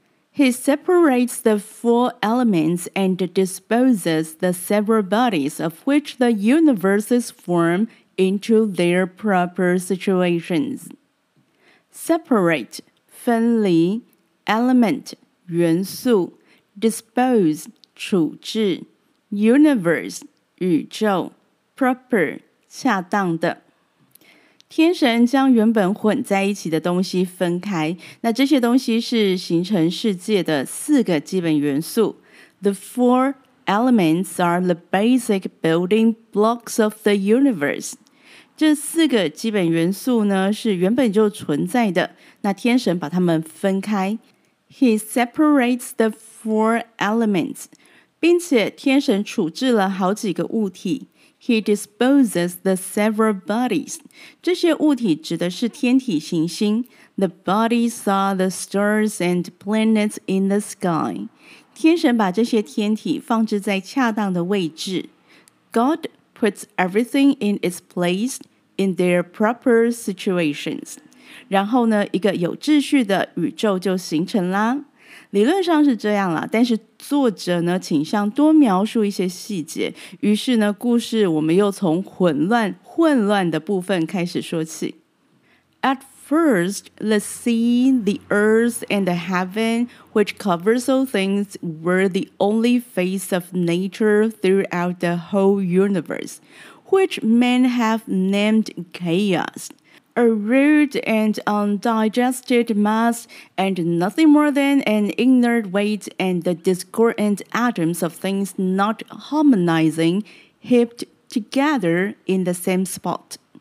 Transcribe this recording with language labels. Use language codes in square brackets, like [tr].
[en] He separates the four elements and disposes the several bodies of which the universe is formed into their proper situationsSeparate, 分离 Element, 元素 Dispose, 处置 Universe, 宇宙 Proper, 恰当的 [zh] 天神将原本混在一起的东西分开那这些东西是形成世界的四个基本元素 [en] The four elements are the basic building blocks of the universe. [zh] 这四个基本元素呢是原本就存在的那天神把它们分开 [en] He separates the four elements [zh] 并且天神处置了好几个物体 [en] He disposes the several bodies [zh] 这些物体指的是天体行星 [en] The bodies are the stars and planets in the sky [zh] 天神把这些天体放置在恰当的位置 [en] GodPuts everything in its place in their proper situations. [zh] 然后呢，一个有秩序的宇宙就形成啦。理论上是这样啦，但是作者呢倾向多描述一些细节。于是呢，故事我们又从混乱的部分开始说起。 [en] At first, the sea, the earth, and the heaven, which covers all things, were the only face of nature throughout the whole universe, which men have named chaos. A rude and undigested mass, and nothing more than an inert weight and the discordant atoms of things not harmonizing, heaped together in the same spot.